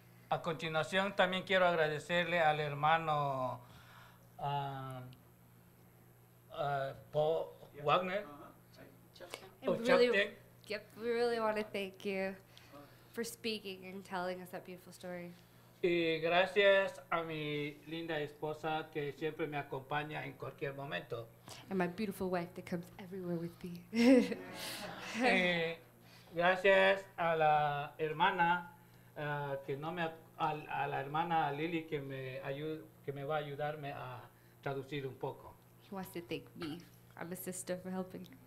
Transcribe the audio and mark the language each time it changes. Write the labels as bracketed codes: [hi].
[es] A continuación, también quiero agradecerle al hermano Paul Wagner. [en] We really want to thank you for speaking and telling us that beautiful story. [es] Y gracias a mi linda esposa que siempre me acompaña en cualquier momento. [en] And my beautiful wife that comes everywhere with me. [es] Gracias a la hermana que no me a la hermana Lily que me ayude, que me va a ayudarme a traducir un poco. [en] He wants to thank me. I'm a sister for helping.